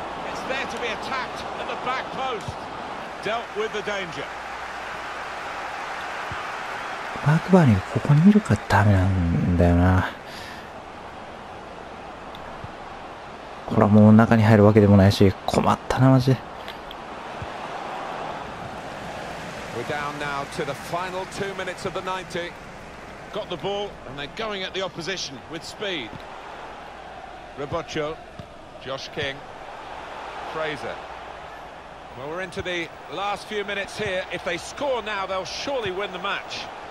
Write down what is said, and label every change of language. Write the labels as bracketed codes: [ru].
[en] It's there to be attacked at the back post. Dealt with the danger. [ja] マークバーニーがここにいるからダメなんだよな。ほらもう中に入るわけでもないし、困ったなマジで。 [en] Down now to the final two minutes of the 90. Got the ball and they're going at the opposition with speed. Rebocho, Josh King, Fraser. Well, we're into the last few minutes here. If they score now, they'll surely win the match.